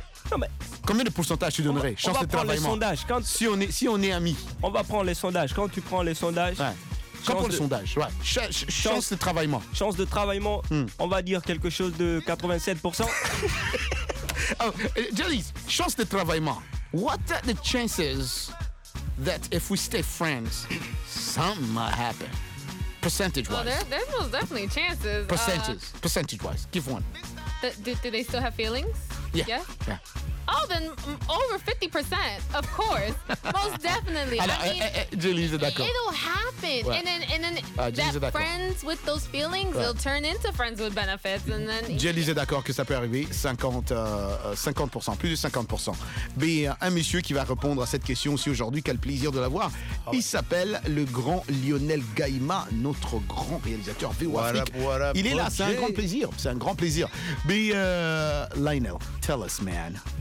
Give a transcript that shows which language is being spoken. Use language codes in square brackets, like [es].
[fr] Non, mais... Combien de pourcentage tu donnerais? Chance de travaillement. On va prendre les sondages. Quand... Si on est amis. On va prendre les sondages. Quand tu prends les sondages... Ouais. Comme pour le sondage, ouais. Chance de travaillement. Chance de travaillement, on va dire quelque chose de 87%. Jelise, chance de travaillement. [en] What are the chances that if we stay friends, something might happen? Percentage-wise. Well, there's most definitely chances. Percentages. Percentage-wise. Give one. Do they still have feelings? Yeah. Oh, then over 50%, of course. Most definitely. [fr] Jelise est d'accord. [en] It'll happen. [fr] Ouais. [en] And then that friends with those feelings will turn into friends with benefits. And then. [fr] Jelise est d'accord que ça peut arriver. 50%, plus de 50%. Mais un monsieur qui va répondre à cette question aussi aujourd'hui, quel plaisir de l'avoir. Oh, il s'appelle le grand Lionel Gaïma, notre grand réalisateur VO Afrique. Il est là, c'est un grand plaisir. C'est un grand plaisir. Mais Lionel, [en] tell us, man.